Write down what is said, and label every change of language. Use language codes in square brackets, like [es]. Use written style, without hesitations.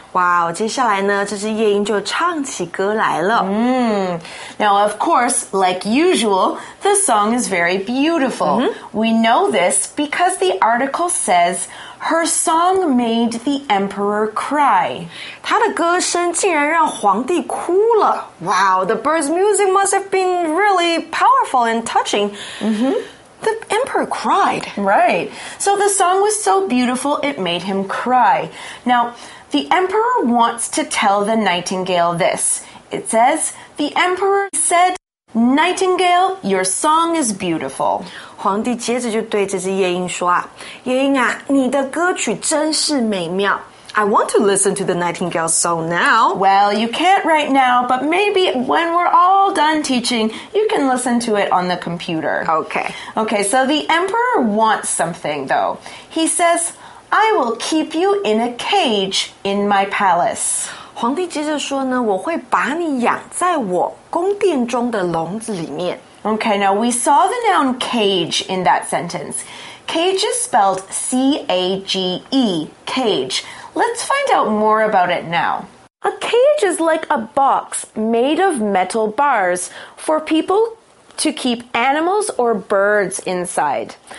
[zh] Wow, 接下来呢，这只夜莺就唱起歌来了。 [en] Now, of course, like usual, the song is very beautiful. Mm-hmm. We know this because the article says, her song made the emperor cry. [zh] 她的歌声竟然让皇帝哭了。 [en] Wow, the bird's music must have been really powerful and touching. The emperor cried. Right. So the song was so beautiful, it made him cry. Now, the emperor wants to tell the nightingale this. It says, the emperor said, Nightingale, your song is beautiful. [zh] 皇帝接着就对这只夜莺说啊，夜莺啊，你的歌曲真是美妙。 [en] I want to listen to the nightingale's song now. Well, you can't right now, but maybe when we're all done teaching, you can listen to it on the computer. Okay. Okay, so the emperor wants something, though. He says, I will keep you in a cage in my palace. [zh] 皇帝接着说呢，我会把你养在我宫殿中的笼子里面。 [en] Okay, now we saw the noun cage in that sentence. Cage is spelled C-A-G-E, cage. Let's find out more about it now. A cage is like a box made of metal bars for people to keep animals or birds inside.